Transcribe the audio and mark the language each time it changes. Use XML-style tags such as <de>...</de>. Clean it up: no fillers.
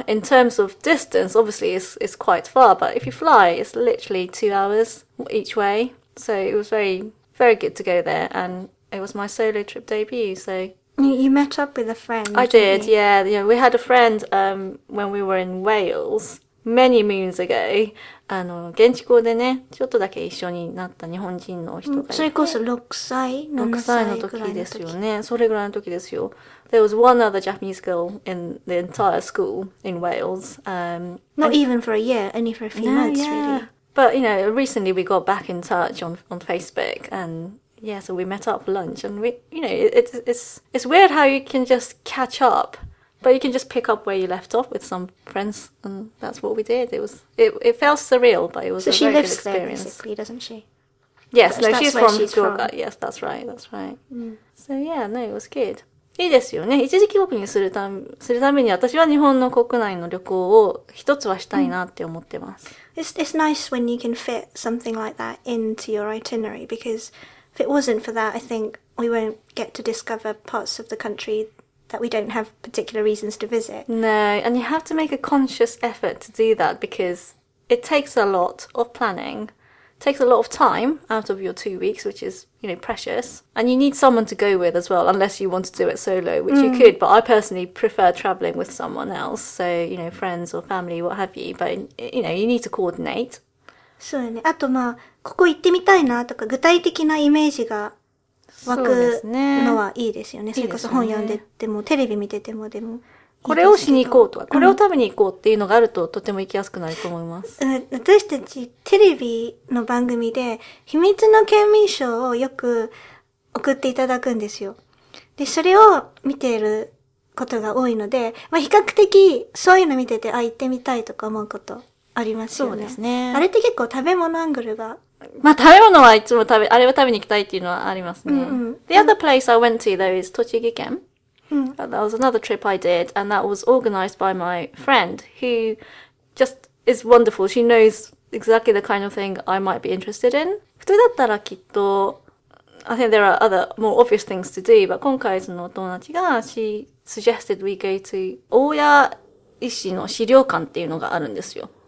<en>In terms of distance, obviously it's quite far, but if you fly, it's literally 2 hours each way. So it was very, very good to go there, and it was my solo trip debut, so. You met up with a friend. I did, yeah. You know, we had a friend, when we were in Wales, many moons ago.</en> <ja>現地校でね、ちょっとだけ一緒になった日本人の人がいて。それこそ6歳、7歳。6歳の時ですよね。それぐらいの時ですよ。</ja> <en>There was one other Japanese girl in the entire school in Wales. Not even for a year, only for a few months, really. But, you know, recently we got back in touch on Facebook, and yeah, so we met up for lunch, and we, you know, it's weird how you can just catch up. But you can just pick up where you left off with some friends, and that's what we did. It felt surreal, but it was a very good experience. So she lives there, basically, doesn't she? Yes, no, she's from Fukuoka. Yes, that's right, that's right. So yeah, no, it was good.</en> <ja>いいですよね。一時帰国にするために私は日本の国内の旅行を一つはしたいなって思ってます。</ja> <en>It's nice when you can fit something like that into your itinerary, because if it wasn't for that, I think we won't get to discover parts of the countryThat we don't have particular reasons to visit. No, and you have to make a conscious effort to do that because it takes a lot of planning, takes a lot of time out of your 2 weeks, which is, you know, precious. And you need someone to go with as well, unless you want to do it solo, which you could, but I personally prefer traveling with someone else. So, you know, friends or family, what have you. But, you know, you need to coordinate.</en> <ja>そうね。あとまあ、ここ行ってみたいなとか、具体的なイメージが湧くのはいいですよね。それこそ本読んでても、テレビ見ててもでもいいですけど。これをしに行こうとか、これを食べに行こうっていうのがあるととても行きやすくなると思います。私たちテレビの番組で秘密の県民賞をよく送っていただくんですよ。で、それを見ていることが多いので、まあ比較的そういうの見てて、あ、行ってみたいとか思うことありますよね。そうですね。あれって結構食べ物アングルがまあ食べ物はいつも食べ、あれは食べに行きたいっていうのはありますね。</ja> <en>The other place I went to though is 栃木県。 That was another trip I did, and that was organized by my friend, who just is wonderful. She knows exactly the kind of thing I might be interested in.</en> <ja>普通だったらきっと、</ja> <en>I think there are other more obvious things to do, but</en> <ja>今回その友達が、</ja> <en>she suggested we go to</en> <ja>大谷医師の資料館っていうのがあるんですよ。</ja>